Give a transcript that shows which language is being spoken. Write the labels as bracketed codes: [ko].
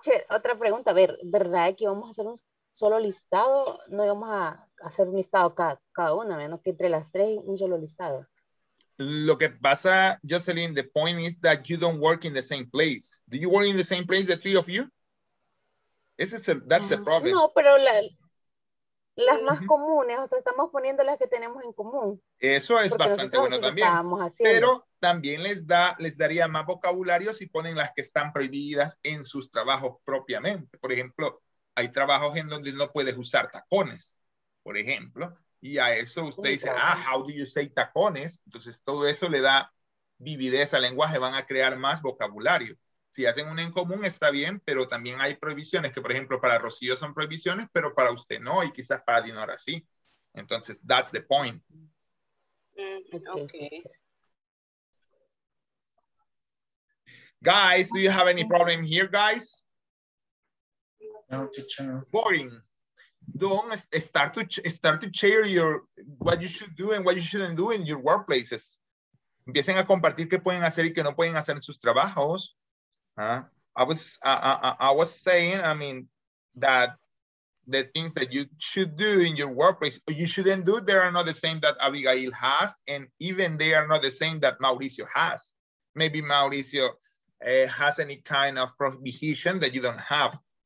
[es] Otra pregunta, a ver, ¿verdad que vamos a hacer un solo listado? No vamos a hacer un listado cada una, menos que entre las tres un solo listado. Lo que pasa, [en] Jocelyn, the point is that you don't work in the same place. Do you work in the same place, the three of you? That's the problem. [es] No, pero las más comunes, o sea, estamos poniendo las que tenemos en común. Eso es bastante bueno también. Pero también les daría más vocabulario si ponen las que están prohibidas en sus trabajos propiamente. Por ejemplo, hay trabajos en donde no puedes usar tacones, por ejemplo. Y a eso usted dice, [en] how do you say [es] tacones? Entonces, todo eso le da vividez al lenguaje, van a crear más vocabulario. Si hacen una en común, está bien, pero también hay prohibiciones, que por ejemplo, para Rocío son prohibiciones, pero para usted no, y quizás para Dinora sí. Entonces, [en] that's the point. Mm, okay. Guys, do you have any problem here, guys? No, teacher. Boring. Don't start to share what you should do and what you shouldn't do in your workplaces. [es] Empiecen a compartir qué pueden hacer y qué no pueden hacer en sus trabajos. [en] I was saying that the things that you should do in your workplace, but you shouldn't do, they are not the same that Abigail has, and even they are not the same that Mauricio has. Maybe Mauricio has any kind of prohibition that you don't have.